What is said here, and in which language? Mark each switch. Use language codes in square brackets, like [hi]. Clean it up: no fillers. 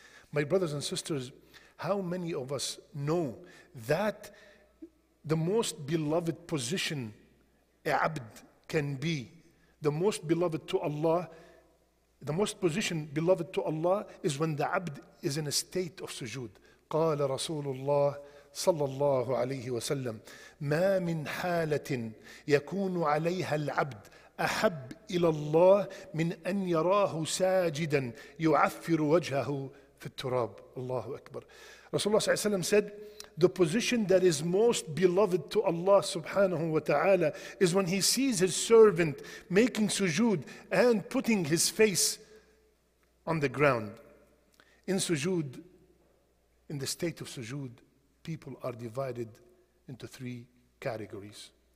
[en] My brothers and sisters, how many of us know that the most beloved position abd can be, the most beloved to Allah, the most position beloved to Allah is when the abd is in a state of sujood. [ar] قال رسول الله صلى الله عليه وسلم ما من حالة يكون عليها العبد أحب إلى الله من أن يراه ساجدا يعفر وجهه في التراب. الله أكبر. رسول الله صلى الله عليه وسلم [en] said, the position that is most beloved to Allah subhanahu wa ta'ala is when he sees his servant making sujood and putting his face on the ground. In sujood, in the state of sujood, people are divided into three categories.